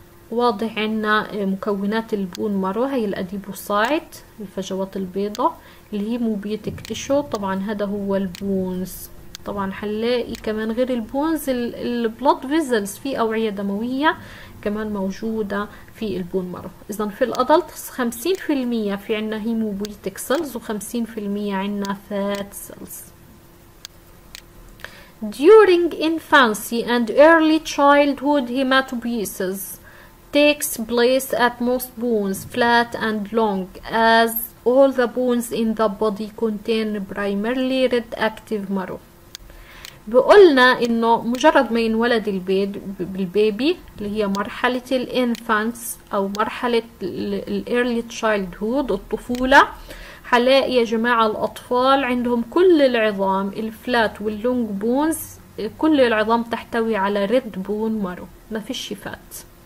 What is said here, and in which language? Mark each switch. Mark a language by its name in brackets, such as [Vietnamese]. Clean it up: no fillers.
[Arabic] واضح عنا مكونات البون مارو، هي الأديبوسايت الفجوات البيضة، الهيموبيتك تيشو، طبعا هذا هو البونز، طبعا حنلاقي كمان غير البونز البلود فيزلز، في أوعية دموية كمان موجودة في البون مارو. إذا في الأدلت 50% في عنا هيموبيتك سيلز و 50% عنا فات سيلز. [English] During infancy and early childhood hematopoiesis takes place at most bones, flat and long, as all the bones in the body contain primarily red active marrow. [Arabic] بقولنا إنه مجرد ما ينولد البيض بالبيبي اللي هي مرحلة الانفانس أو مرحلة الearly childhood الطفولة، حلاقي يا جماعة الأطفال عندهم كل العظام الفلات واللونج بونز، كل العظام تحتوي على ريد بون مارو، ما فيش فات.